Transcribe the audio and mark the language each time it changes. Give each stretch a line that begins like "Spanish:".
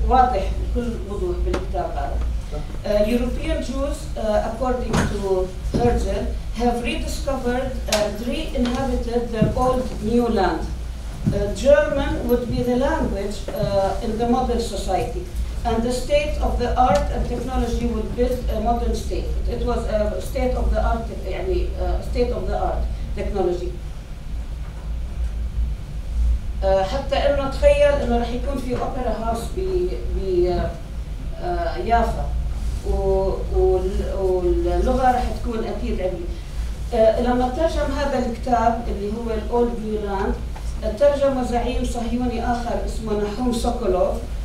Arabic: واضح بكل وضوح بالكتاب هذا.
English: European Jews, according to Herzl, have rediscovered and re-inhabited their old new land. German would be the language in the modern society. And the state of the art and technology would build a modern state. It was a state of the art, يعني state of the art technology.
Arabic: حتى إنه تخيل إنه رح يكون في أوبرا هاوس بيافا واللغة رح تكون أكيد عربي. لما ترجم هذا الكتاب اللي هو Old New Land ترجمه زعيم صهيوني آخر اسمه نحوم سوكولوف.